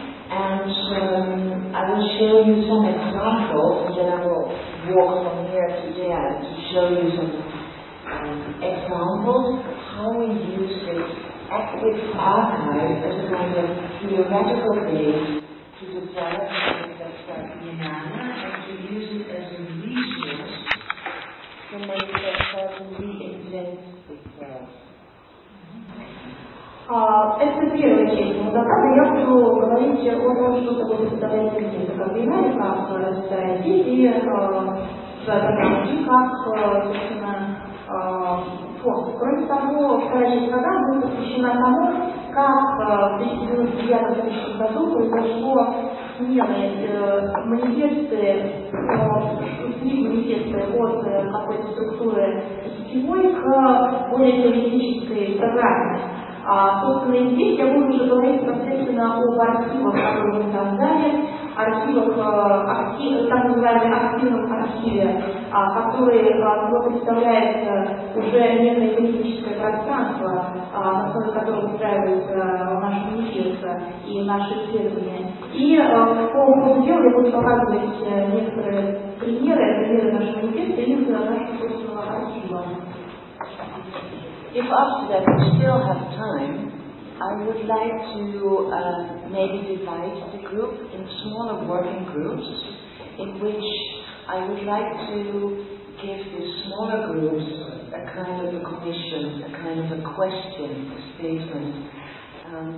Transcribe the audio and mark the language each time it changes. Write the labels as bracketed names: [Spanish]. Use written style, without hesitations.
[English] And I will show you some examples, and then I will walk from here to there to show you some examples of how we use this active archive as a kind of theoretical base to develop the Biennale and to use it as a resource to make that person reinvent itself. [Russian] Это первая часть. Но затем я буду говорить о том, что такое представляет Манифеста Биеннале, как это идея, и как, собственно, форма. Кроме того, вторая часть программы будет посвящена тому, как в 2009-2010 году произошло смена манифеста от какой-то структуры сетевой к более теоретической программе. Собственно, и здесь я буду уже говорить непосредственно об архивах, которые мы там дали, архивах, так называемом активном архиве, который представляет уже некое политическое пространство, на основе которого устраивается наша манифеста и наши исследования. И по ходу дела я буду показывать некоторые примеры, нашего манифеста и некоторые нашего собственного архива. [English] If after that we still have time, I would like to maybe divide the group in smaller working groups, in which I would like to give the smaller groups a kind of a commission, a kind of a question, a statement.